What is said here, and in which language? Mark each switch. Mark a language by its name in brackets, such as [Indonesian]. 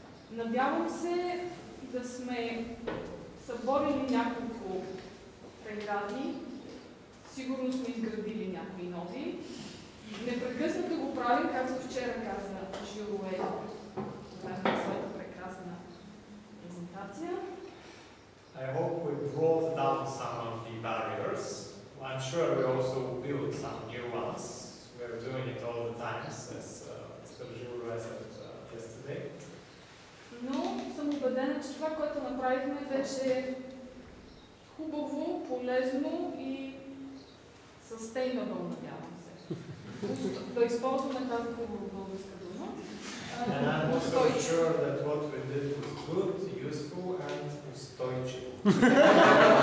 [Bulgarian] Надявам се да сме съборили няколко прегради, сигурно сме изградили някои нови. Непрекъснато го правим, както вчера каза Жиро Ел, това е своята прекрасна презентация. [English] I hope we brought down some of the barriers. I'm sure we also built some new ones. We're doing it all the time, as Жиро Ел said yesterday. [Bulgarian] Но съм убедена, че това, което направихме, беше хубаво, полезно и sustainable, надявам се. Да използваме тази хубава българска дума. [English] And I'm also sure that what we did was good, useful, and устойчиво.